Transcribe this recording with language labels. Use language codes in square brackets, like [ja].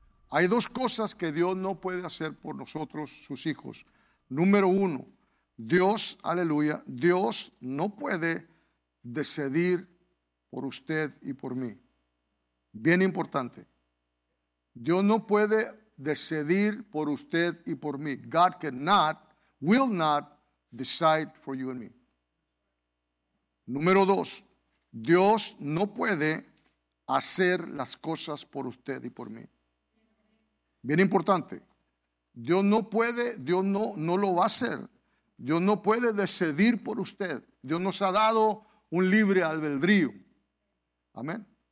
[es] Hay dos cosas que Dios no puede hacer por nosotros, sus hijos. Número uno, Dios, aleluya, Dios no puede decidir por usted y por mí. Bien importante. Dios no puede decidir por usted y por mí. [en] God cannot, will not decide for you and me. [es] Número dos, Dios no puede hacer las cosas por usted y por mí. Bien importante. Dios no puede, Dios no lo va a hacer. Dios no puede decidir por usted. Dios nos ha dado un libre albedrío. Amén.